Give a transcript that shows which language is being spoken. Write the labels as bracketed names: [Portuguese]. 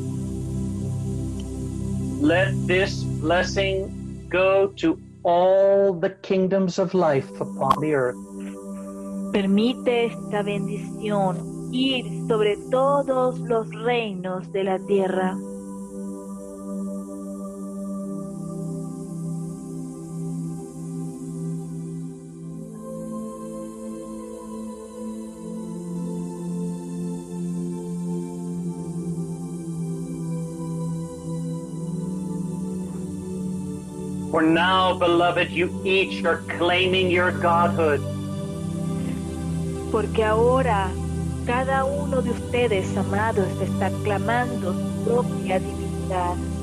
[English] Let this blessing go to all the kingdoms of life upon the earth. [Spanish] Permite esta bendición ir sobre todos los reinos de la tierra. [English] For now, beloved, you each are claiming your godhood. [Spanish] Porque ahora, cada uno de ustedes, amados, está clamando su propia divinidad.